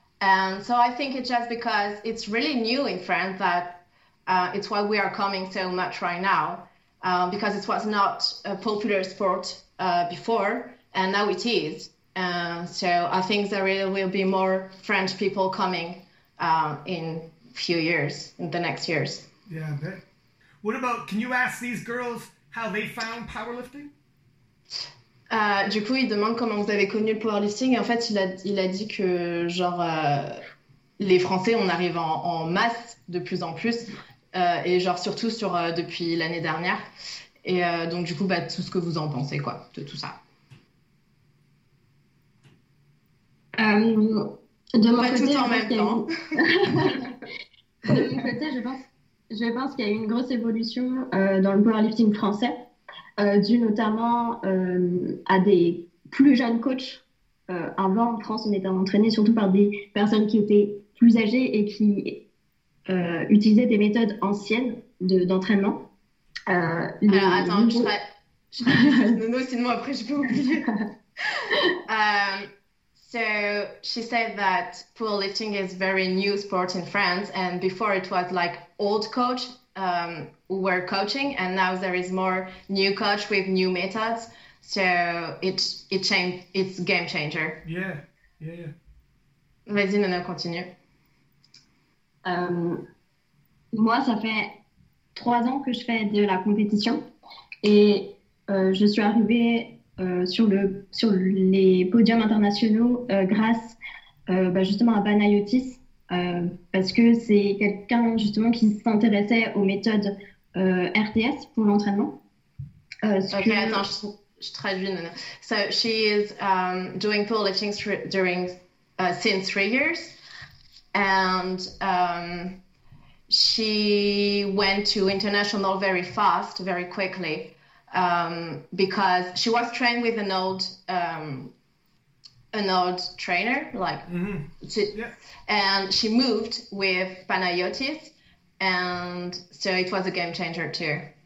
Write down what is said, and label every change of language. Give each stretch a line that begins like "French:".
English: And so I think it's just because it's really new in France that it's why we are coming so much right now, because it was not a popular sport before, and now it is. So I think there will be more French people coming in a few years, in the next years. Yeah, I bet. What about, can you ask these girls how they found powerlifting?
French: Du coup, il demande comment vous avez connu le powerlifting. Et en fait, il a dit que, genre, les Français, on arrive en masse de plus en plus. Et genre, surtout sur depuis l'année dernière. Et donc, du coup, bah, tout ce que vous en pensez, quoi, de tout ça. De mon côté, je pense qu'il y a eu une grosse évolution dans le powerlifting français, due notamment à des plus jeunes coachs Avant, en France, on était entraîné surtout par des personnes qui étaient plus âgées et qui utilisaient des méthodes anciennes d'entraînement. Alors, Le attends, niveau. je rapide, Nono, sinon après je vais oublier.
English: So she said that powerlifting is very new sport in France, and before it was like old coach who were coaching, and now there is more new coach with new methods. So it changed, it's game changer.
French: Vas-y, Nono, continue. Moi, ça fait 3 ans que je fais de la compétition et je suis arrivée sur les podiums internationaux grâce justement à Panayotis parce que c'est quelqu'un justement qui s'intéressait aux méthodes RTS pour l'entraînement. Ce Ok, attends, que. je traduis. Non, non.
English: So she is doing powerlifting during since 3 years, and she went to international very fast, very quickly, because she was trained with an old trainer, like, and she moved with Panayotis, and so it was a game changer too.